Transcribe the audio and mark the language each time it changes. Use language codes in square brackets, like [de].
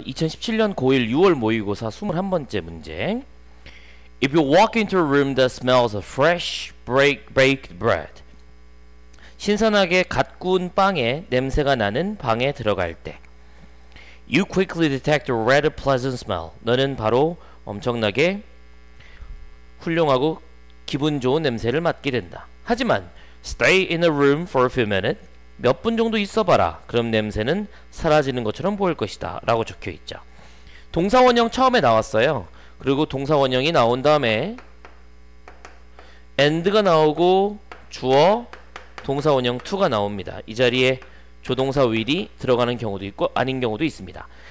[ko] 2017년 고1 6월 모의고사 21번째 문제. [en] If you walk into a room that smells of fresh baked bread. [ko] 신선하게 갓 구운 빵에 냄새가 나는 방에 들어갈 때. [en] You quickly detect a rather pleasant smell. [ko] 너는 바로 엄청나게 훌륭하고 기분 좋은 냄새를 맡게 된다. [en] 하지만 stay in a room for a few minutes. [ko] 몇분 정도 있어봐라. 그럼 냄새는 사라지는 것처럼 보일 것이다. 라고 적혀 있죠. 동사원형 처음에 나왔어요. 그리고 동사원형이 나온 다음에 and가 나오고 주어 동사원형 2가 나옵니다. 이 자리에 조동사 will이 들어가는 경우도 있고 아닌 경우도 있습니다.